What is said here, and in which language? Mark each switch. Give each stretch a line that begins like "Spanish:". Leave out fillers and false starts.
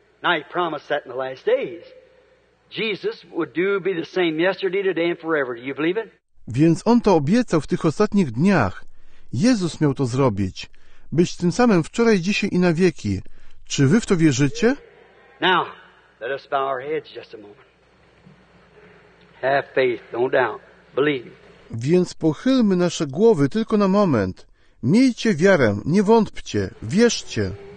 English: Now he promised that in the last days. Jesus would do be the same yesterday, today and forever. Do you believe it?
Polish: Więc on to obiecał w tych ostatnich dniach. Jezus miał to zrobić. Być tym samym wczoraj, dzisiaj i na wieki. Czy wy w to wierzycie?
English: Now, let us bow our heads just a moment. Have faith, don't doubt. Believe.
Polish: Więc pochylmy nasze głowy tylko na moment. Miejcie wiarę, nie wątpcie, wierzcie.